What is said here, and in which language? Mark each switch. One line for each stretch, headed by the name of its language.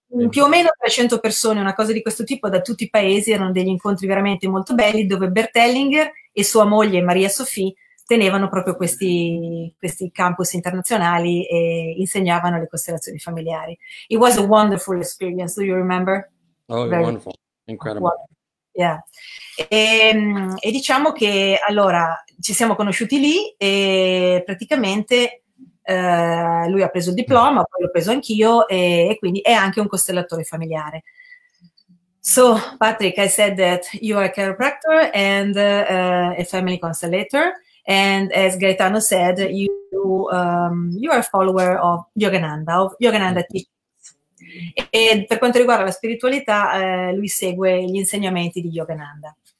Italian: Più o meno 300 persone, una cosa di questo tipo, da tutti i paesi, erano degli incontri veramente molto belli, dove Bertellinger e sua moglie Maria Sofì tenevano proprio questi campus internazionali e insegnavano le costellazioni familiari.
English: It was a wonderful experience, do you remember? Oh, Very wonderful. Incredible. wonderful. Yeah.
Italian: E diciamo che allora ci siamo conosciuti lì e praticamente lui ha preso il diploma, poi l'ho preso anch'io e quindi è anche un costellatore familiare.
English: So, Patrick, I said that you are a chiropractor and a family constellator. And as Gaetano said, you are a follower of Yogananda teachings.
Italian: E per quanto riguarda la spiritualità, lui segue gli insegnamenti di Yogananda.